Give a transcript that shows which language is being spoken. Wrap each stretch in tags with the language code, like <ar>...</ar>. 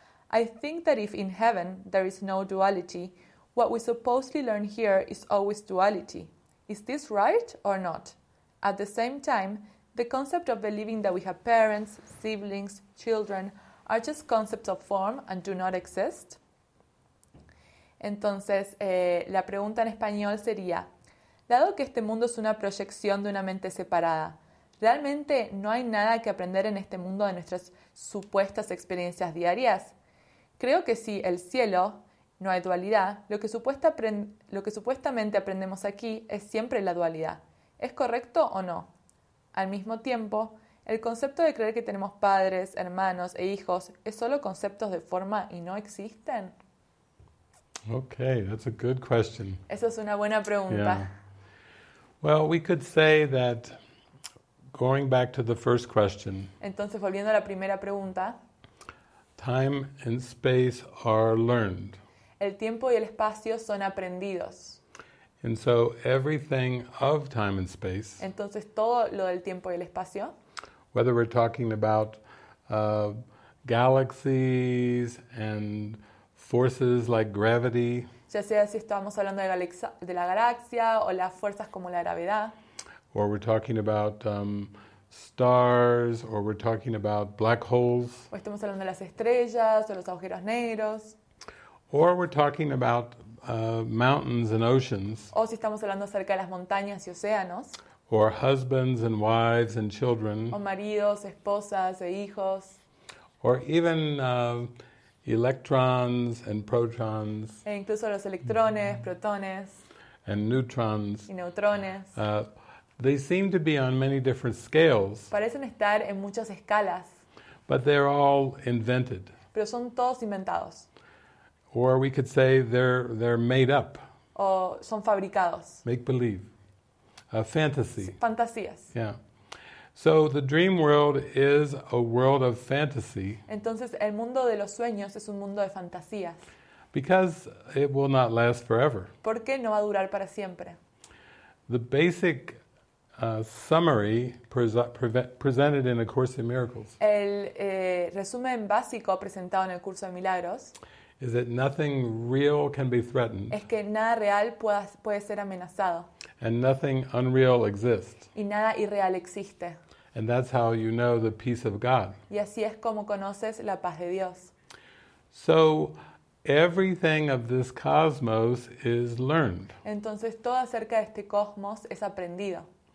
<en>I think that if in heaven there is no duality, what we supposedly learn here is always duality. Is this right or not? At the same time, the concept of believing that we have parents, siblings, children are just concepts of form and do not exist?</en> <es>Entonces, la pregunta en español sería, dado que este mundo es una proyección de una mente separada, ¿realmente no hay nada que aprender en este mundo de nuestras supuestas experiencias diarias? Creo que sí, el cielo, no hay dualidad, lo que supuestamente aprendemos aquí es siempre la dualidad. ¿Es correcto o no? Al mismo tiempo, el concepto de creer que tenemos padres, hermanos e hijos es solo conceptos de forma y no existen.</es> <en>Okay, that's a good question.</en> <es>Esa es una buena pregunta.</es> <en>Yeah. Well, we could say that going back to the first question.</en> <es>Entonces, volviendo a la primera pregunta.</es> <en>Time and space are learned.</en> <es>El tiempo y el espacio son aprendidos.</es> <en>And so everything of time and space.</en> <es>Entonces, todo lo del tiempo y el espacio.</es> <en>Whether we're talking about galaxies and forces like gravity.</en> <es>Ya sea si estamos hablando de la galaxia o las fuerzas como la gravedad.</es> <en>Or we're talking about stars, or we're talking about black holes.</en> <es>O estamos hablando de las estrellas o los agujeros negros.</es> <en>Or we're talking about mountains and oceans.</en> <es>O si estamos hablando acerca de las montañas y océanos.</es> <en>Or husbands and wives and children.</en> <es>O maridos, esposas e hijos.</es> <en>Or even electrons and protons.</en> <es>E incluso los electrones, protones.</es> <en>And neutrons.</en> <es>Y neutrones.</es> <en>They seem to be on many different scales.</en> <es>Parecen estar en muchas escalas.</es> <en>But they're all invented.</en> <es>Pero son todos inventados.</es> <en>Or we could say they're made up.</en> <es>O son fabricados.</es> <en>Make believe. A fantasy.</en> <es>Fantasías.</es> <en>Yeah. So the dream world is a world of fantasy.</en> <es>Entonces el mundo de los sueños es un mundo de fantasías.</es> <en>Because it will not last forever.</en> <es>Porque no va a durar para siempre.</es> <en>The basic summary presented in A Course in Miracles.</en> <es>El resumen básico presentado en el curso de milagros.</es> <en>Is that nothing real can be threatened.</en> <es>Es que nada real puede ser amenazado.</es> <en>And nothing unreal exists.</en> <es>Y nada irreal existe.</es> <en>And that's how you know the peace of God.</en> <es>Y así es como conoces la paz de Dios.</es> <en>So everything of this cosmos is learned.</en> <es>Entonces todo acerca de este cosmos es aprendido.</es>